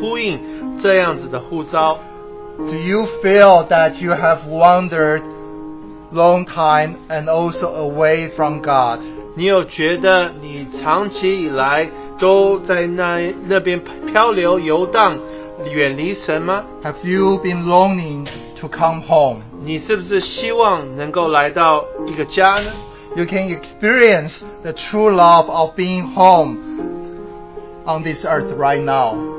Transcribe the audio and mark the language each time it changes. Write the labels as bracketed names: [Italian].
[Chinese] 我也希望在座的所有的福音朋友，你们能来从心里面呼应这样子的呼召。 [English] Do you feel that you have wandered long time and also away from God? [Chinese] 你有觉得你长期以来都在那边漂流游荡，远离神吗？ [English] Have you been longing to come home? [Chinese] 你是不是希望能够来到一个家呢？ [English] You can experience the true love of being home on this earth right now.